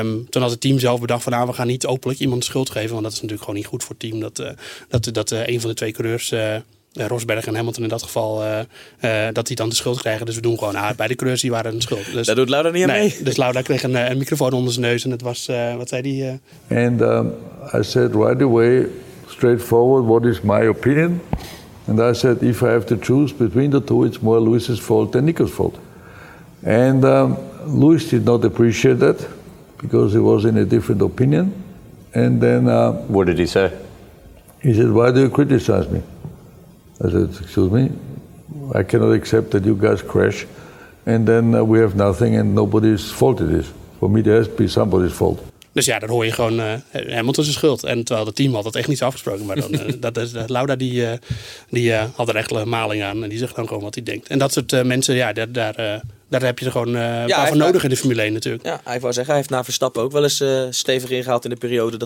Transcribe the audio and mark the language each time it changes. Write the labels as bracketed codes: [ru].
[nl] Toen had het team zelf bedacht van, we gaan niet openlijk iemand de schuld geven, want dat is natuurlijk gewoon niet goed voor het team, dat een van de twee coureurs, Rosberg en Hamilton in dat geval, dat die dan de schuld krijgen. Dus we doen gewoon, beide coureurs die waren de schuld. Dus, dat doet Lauda niet aan mee. Dus Lauda kreeg een microfoon onder zijn neus en het was, wat zei die? [en] I said right away, straightforward, what is my opinion? And I said, if I have to choose between the two, it's more Lewis's fault than Nico's fault. And Lewis did not appreciate that because he was in a different opinion. And then... What did he say? He said, why do you criticize me? I said, excuse me, I cannot accept that you guys crash and then we have nothing and nobody's fault it is. For me, there has to be somebody's fault. [nl] Dus ja, dan hoor je gewoon Hamilton zijn schuld. En terwijl het team had dat echt niet afgesproken. Maar dan, Lauda die had er echt een maling aan. En die zegt dan gewoon wat hij denkt. En dat soort mensen, ja, daar heb je er gewoon paar van nodig in de Formule 1 natuurlijk. Ja, hij wou zeggen, hij heeft na Verstappen ook wel eens stevig ingehaald in de periode.